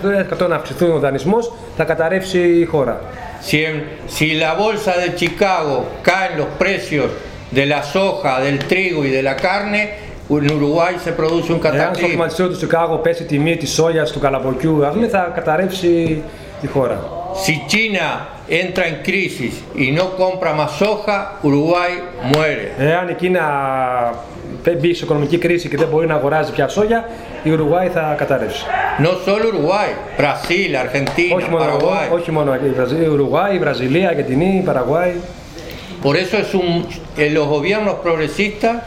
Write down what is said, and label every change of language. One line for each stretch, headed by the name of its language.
Greek: Αν αυξηθούν ο δανεισμός, θα καταρρεύσει η χώρα.
Spanish: Si la bolsa de Chicago caen los precios de la soja, del trigo y de la carne, en Uruguay se produce un cataclismo.
Greek: Εάν στο κομματιστήριο του Chicago πέσει η τιμή της σόγιας, του καλαμποκιού, θα καταρρεύσει η χώρα.
Spanish: Si China entra en crisis y no compra más soja, Uruguay muere.
Greek: Εάν η Κίνα μπει σε οικονομική κρίση και δεν μπορεί να αγοράζει πια σόγια, η Ουρουγουάη θα καταρρεύσει.
Spanish: Non solo Uruguay, Brasil, Argentina,
Greek: όχι μόνο,
Spanish: Paraguay.
Greek: Όχι μόνο η Ουρουγουάη, η Βραζιλία, η Αργεντινή, η Παραγουάη.
Spanish: Por eso es un, los gobiernos progresistas.